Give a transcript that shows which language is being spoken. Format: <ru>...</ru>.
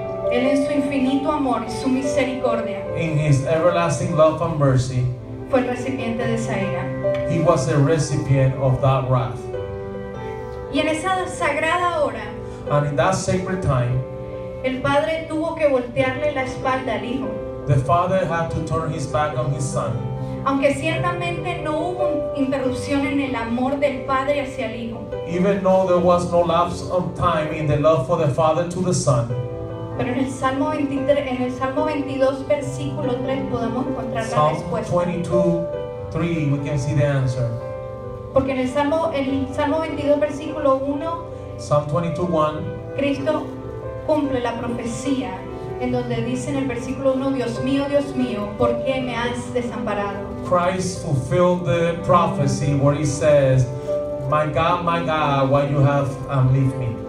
<es>él en su infinito amor y su misericordia,</es> <en>in his everlasting love and mercy,</en> <es>fue el recipiente de esa ira.</es> <en>He was a recipient of that wrath.</en> <es>Y en esa sagrada hora,</es> <en>and in that sacred time,</en> <es>el Padre tuvo que voltearle la espalda al Hijo.</es> <en>The Father had to turn his back on his Son.</en> <es>Aunque ciertamente no hubo interrupción en el amor del Padre hacia el Hijo.</es> <en>Even though there was no lapse of time in the love for the Father to the Son.</en> <es>Pero en el Salmo 23, en el Salmo 22, versículo 3, podemos encontrar</es> <en>Psalm</en> <es>la respuesta.</es> <en>Psalm 22, 3, we can see the answer.</en> <es>Porque en el Salmo 22, versículo 1,</es> <en>Psalm 22, 1,</en> <es>Cristo cumple la profecía en donde dice en el versículo 1, Dios mío, ¿por qué me has desamparado?</es> <en>Christ fulfilled the prophecy where he says, my God, why you have leave me?</en>